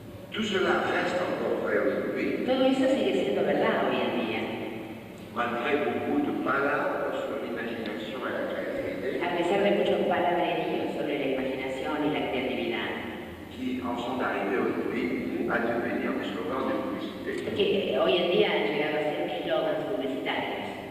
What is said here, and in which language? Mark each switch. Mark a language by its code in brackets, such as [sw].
[fr] Tout cela reste encore vrai aujourd'hui. [es] Todo eso sigue siendo verdad hoy en día. [fr] Malgré beaucoup de [es] palabras sobre la imaginación y la creatividad. A pesar de muchos palabreríos sobre la imaginación y la creatividad. [fr] Qui en sont arrivés aujourd'hui à devenir des slogans de publicité. [es] Que hoy en día han llegado a ser slogans publicitarios.